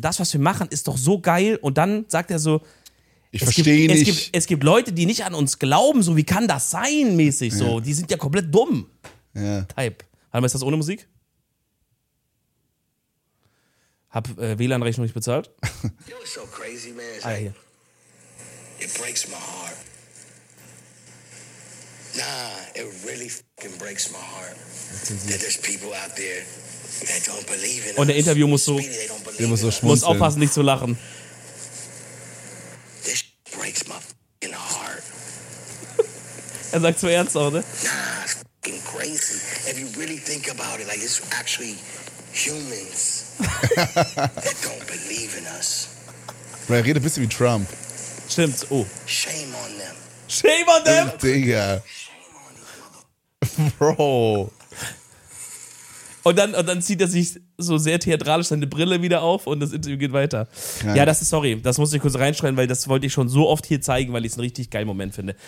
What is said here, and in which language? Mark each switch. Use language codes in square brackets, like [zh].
[de] Das, was wir machen, ist doch so geil. Und dann sagt er so, ich verstehe nicht. Es gibt Leute, die nicht an uns glauben, so wie kann das sein, mäßig so. Ja. Die sind ja komplett dumm. Ja. Type. Warte mal, ist das ohne Musik? Hab WLAN-Rechnung nicht bezahlt. [en] You look so crazy, man. It's like, it breaks my heart. Nah, it really f***ing breaks my heart. That there's people out there that don't believe in us. [de] Und der Interview muss so, muss aufpassen, nicht zu lachen. [en] This breaks my f***ing heart. [de] Er sagt zu ernst auch, ne? [en] Nah, it's f***ing crazy. If you really think about it, like it's actually... Humans that don't believe in us. [de] Bro, er redet ein bisschen wie Trump. Stimmt, oh. [en] Shame on them. Shame on them? [de] Digga. Bro. Und dann zieht er sich so sehr theatralisch seine Brille wieder auf und das Interview geht weiter. Ja, das ist, sorry, das muss ich kurz reinschreiben, weil das wollte ich schon so oft hier zeigen, weil ich es einen richtig geilen Moment finde.